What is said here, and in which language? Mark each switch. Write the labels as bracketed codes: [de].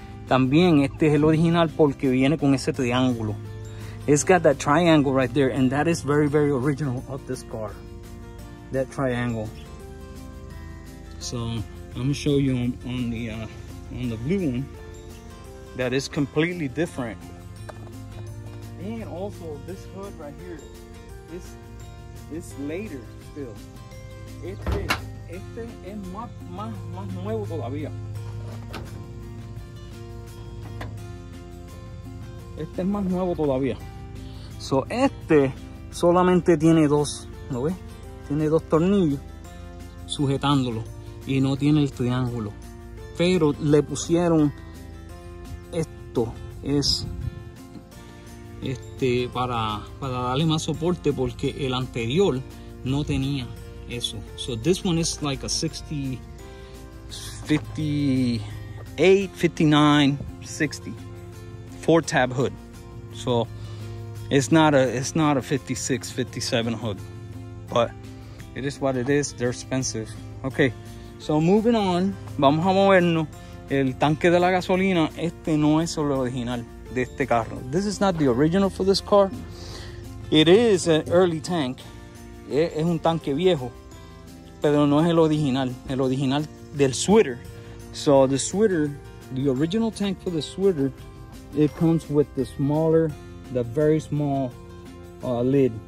[es] También este es el original porque viene con ese triángulo. [en] It's got that triangle right there, and that is very, very original of this car. That triangle. So I'm gonna show you on the blue one. That is completely different. And also this hood right here, it's later still. [es] Este es más nuevo todavía. Este es más nuevo todavía. So este solamente tiene 2, ¿lo ves? Tiene 2 tornillos sujetándolo y no tiene el triángulo. Pero le pusieron esto, es para darle más soporte porque el anterior no tenía eso. [en] So this one is like a 60, 58, 59, 60, 4 tab hood. So it's not a 56, 57 hood, but It is what it is. They're expensive. Okay. So moving on. [es] Vamos a movernos. El tanque de la gasolina. Este no es el original de este carro. [en] This is not the original for this car. It is an early tank. [es] Es un tanque viejo. Pero no es el original. El original del Zwitter. [en] So the Zwitter, the original tank for the Zwitter, it comes with the smaller, the very small lid.